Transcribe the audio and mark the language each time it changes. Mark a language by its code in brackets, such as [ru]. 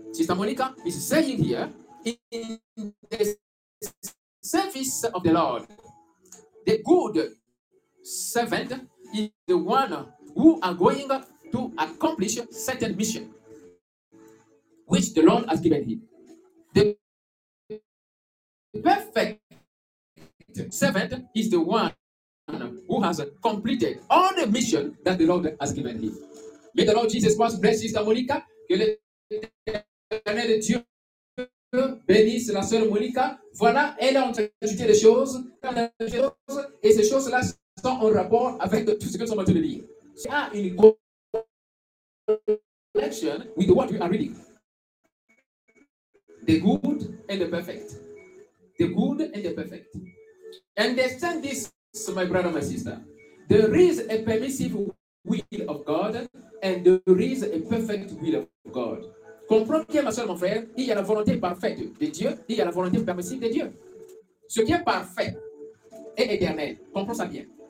[en] Sister Monica, it's saying here, in the service of the Lord, the good servant is the one who are going to accomplish certain mission which the Lord has given him. The perfect servant is the one who has completed all the mission that the Lord has given him. May the Lord Jesus Christ bless Sister Monica. [fr] Que l'Éternel de Dieu bénisse la sœur Monica. Voilà, elle a ajouté des choses. Et ces choses-là sont en rapport avec tout ce que nous sommes en train de lire. Il y a une [en] connection with what we are reading. The good and the perfect. The good and the perfect. Understand this, my brother, my sister. There is a permissive will of God and there is a perfect will of God. [fr] Comprends bien, ma soeur, mon frère, il y a la volonté parfaite de Dieu, il y a la volonté permissive de Dieu. Ce qui est parfait et éternel, comprends ça bien.